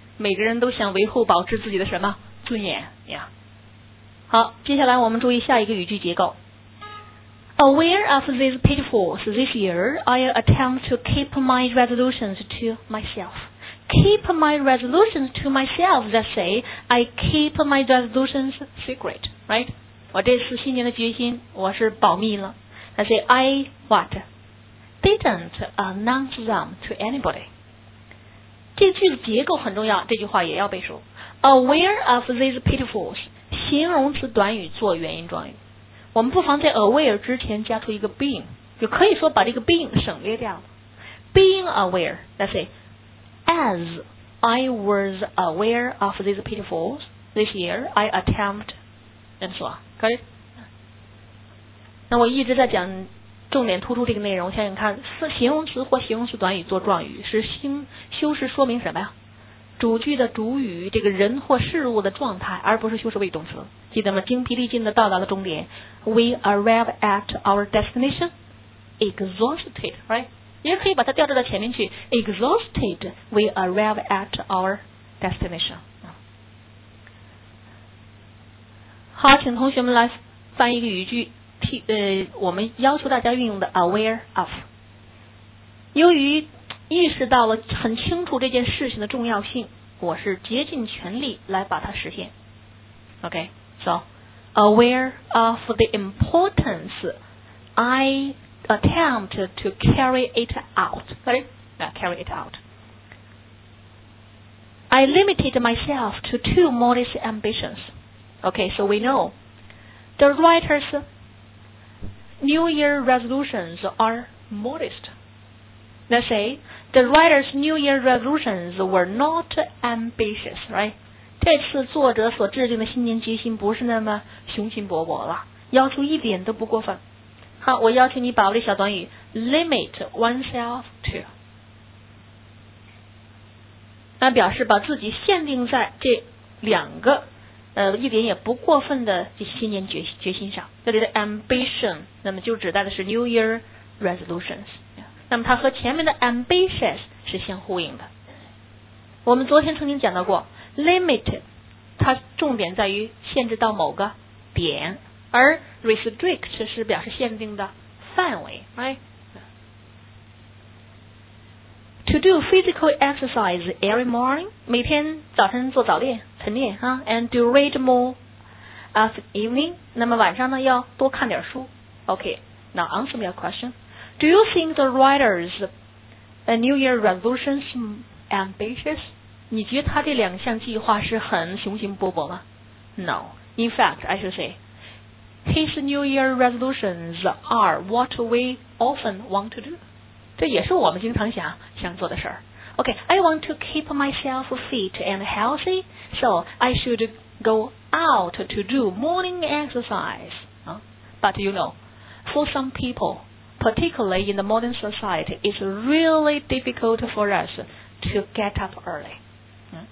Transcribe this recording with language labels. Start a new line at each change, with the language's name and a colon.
Chinese: 每个人都想维护保持自己的什么？尊严。
English: Yeah.
Chinese: 好，接下来我们注意下一个语句结构。
English: Aware of these pitfalls this year, I attempt to keep my resolutions to myself. Keep my resolutions to myself, let's say, I keep my resolutions secret, right?
Chinese: 我这次新年的决心我是保密了。
English: Let's say, I didn't announce them to anybody.
Chinese: 这句子结构很重要，这句话也要背熟。
English: Aware of these pitfalls,
Chinese: 形容词短语做原因状语。我们不妨在 aware 之前加出一个 being， 就可以说把这个 being 省略掉了。
English: Being aware, let's say, as I was aware of these pitfalls this year, I attempt, and so on. Got it?
Chinese: 那我一直在讲重点突出这个内容，想想看，形容词或形容词短语做状语，是修饰说明什么呀？主句的主语，这个人或事物的状态，而不是修饰谓动词。记得吗？精疲力尽的到达了终点。
English: We arrive at our destination exhausted, right?
Chinese: 也可以把它调置到前面去。
English: Exhausted, we arrive at our destination.
Chinese: 好，请同学们来翻译一个语句，我们要求大家运用的 aware of。由于意识到了很清楚这件事情的重要性，我是竭尽全力来把它实现。
English: OK, so, aware of the importance, I attempt to carry it out. Carry it out. I limited myself to 2 modest ambitions. OK, so we know. The writer's New Year resolutions are modest. Let's say,The writer's New Year resolutions were not ambitious, right?
Chinese: 这次作者所制定的新年决心不是那么雄心勃勃了，要求一点都不过分。好，我邀请你把我这小短语 limit oneself to， 那表示把自己限定在这两个一点也不过分的新年决心上。这里的 ambition， 那么就指代的是 New Year resolutions。那么它和前面的 ambitious 是相呼应的。我们昨天曾经讲到过 limit， 它重点在于限制到某个点，而 restrict 是表示限定的范围。
English: To do physical exercise every morning，
Chinese: 每天早晨做早练晨练啊
English: ，and do read more of evening，
Chinese: 那么晚上呢要多看点书。
English: OK， now answer me a question。 Do you think the writer's New Year resolutions ambitious?
Chinese: 你觉得他这两项计划是很雄心勃勃吗？
English: No. In fact, I should say, his New Year resolutions are what we often want to do.
Chinese: 这也是我们经常想做的事儿。
English: Okay, I want to keep myself fit and healthy, so I should go out to do morning exercise. But you know, for some people, particularly in the modern society, it's really difficult for us to get up early.